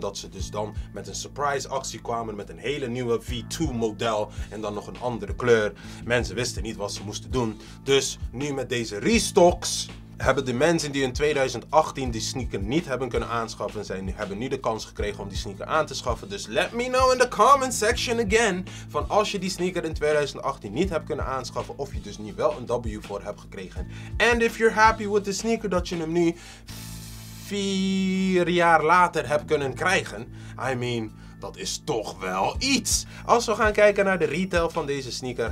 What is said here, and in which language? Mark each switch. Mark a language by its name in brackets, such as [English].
[Dutch] Dat ze dus dan met een surprise actie kwamen met een hele nieuwe V2 model. En dan nog een andere kleur. Mensen wisten niet wat ze moesten doen. Dus nu met deze restocks hebben de mensen die in 2018 die sneaker niet hebben kunnen aanschaffen, hebben nu de kans gekregen om die sneaker aan te schaffen. Dus [English] let me know in the comment section again. [Dutch] Van als je die sneaker in 2018 niet hebt kunnen aanschaffen, of je dus nu wel een W voor hebt gekregen. [English] And if you're happy with the sneaker [Dutch] dat je hem nu 4 jaar later hebt kunnen krijgen. [English] I mean, [Dutch] dat is toch wel iets. Als we gaan kijken naar de retail van deze sneaker.